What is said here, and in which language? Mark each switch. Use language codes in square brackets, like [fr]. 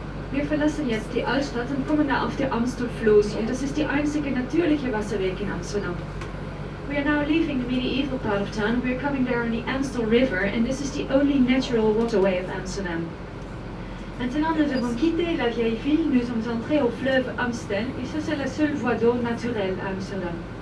[de] Wir verlassen jetzt die Altstadt und kommen da auf die Amstelfluss und das ist die einzige natürliche Wasserweg in Amsterdam. [en] We are now leaving the medieval part of town. We are coming there on the Amstel River and this is the only natural waterway of Amsterdam. [fr] Maintenant nous avons quitté la vieille ville, nous sommes entrés au fleuve Amstel et ça c'est la seule voie d'eau naturelle à Amsterdam.